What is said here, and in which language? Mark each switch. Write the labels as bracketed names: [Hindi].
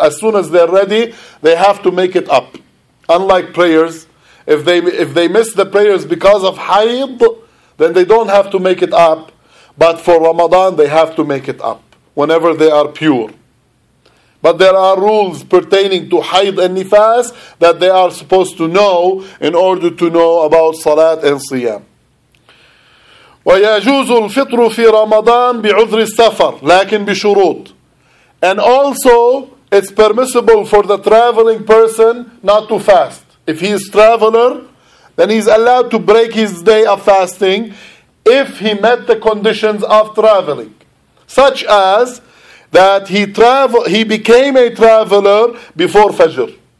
[English] As soon as they're ready, they have to make it up. Unlike prayers, if they miss the prayers because of haid, then they don't have to make it up. But for Ramadan, they have to make it up whenever they are pure. But there are rules pertaining to haid and nifas that they are supposed to know in order to know about salat and siyam. [Arabic] ويجوز الفطر في رمضان بعذر السفر لكن بشروط. [English] And also, it's permissible for the traveling person not to fast. If he is a traveler, then he's allowed to break his day of fasting if he met the conditions of traveling, such as that he became a traveler before Fajr.